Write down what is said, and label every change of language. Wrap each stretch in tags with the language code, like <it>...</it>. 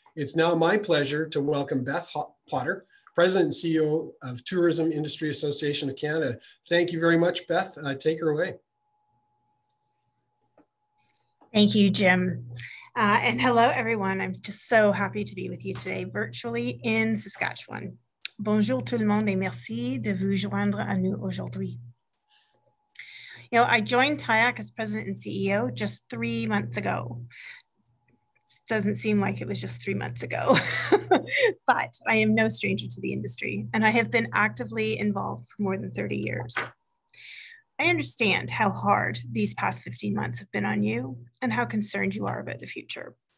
<en>It's now my pleasure to welcome Beth Potter, President and CEO of Tourism Industry Association of Canada. Thank you very much, Beth. Take her away. Thank you, Jim. And hello, everyone. I'm just so happy to be with you today, virtually in Saskatchewan.</en> <fr>Bonjour tout le monde et merci de vous joindre à nous aujourd'hui.</fr> <en>You know, I joined TIAC as president and CEO just 3 months ago. It doesn't seem like it was just 3 months ago, but I am no stranger to the industry and I have been actively involved for more than 30 years. I understand how hard these past 15 months have been on you and how concerned you are about the future.</en>